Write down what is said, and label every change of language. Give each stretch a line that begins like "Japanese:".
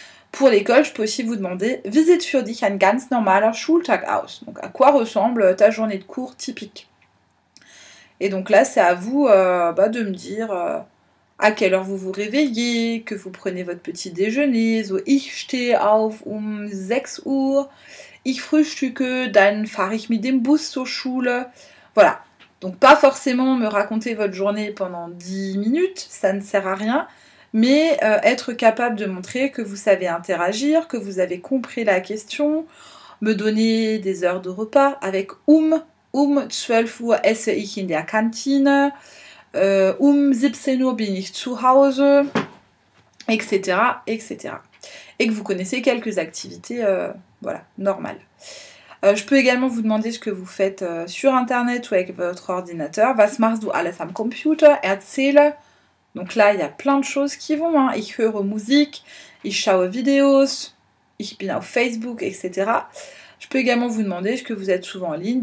French: Pour l'école, je peux aussi vous demander,
German: Visit für dich ein ganz normaler Schultag aus.
French: Donc, à quoi ressemble ta journée de cours typique? Et donc là, c'est à vous bah, de me dire à quelle heure vous vous réveillez, que vous prenez votre petit déjeuner.
German: So, ich stehe auf um 6 Uhr. ich frühstücke, dann fahre ich mit dem Bus zur Schule.
French: Voilà. Donc pas forcément me raconter votre journée pendant 10 minutes, ça ne sert à rien, mais être capable de montrer que vous savez interagir, que vous avez compris la question, me donner des heures de repas avec
German: zwölf Uhr esse ich in der Kantine, 17 Uhr bin ich zu Hause,
French: etc., etc. Et que vous connaissez quelques activités, voilà, normales. Je peux également vous demander ce que vous faites sur Internet ou avec votre ordinateur.
German: Was machst du alles am Computer? Erzähle.
French: Donc là, il y a plein de choses qui vont, hein.
German: Ich höre Musik, ich schaue Videos, ich bin auf Facebook, etc.
French: Je peux également vous demander ce que vous êtes souvent en ligne.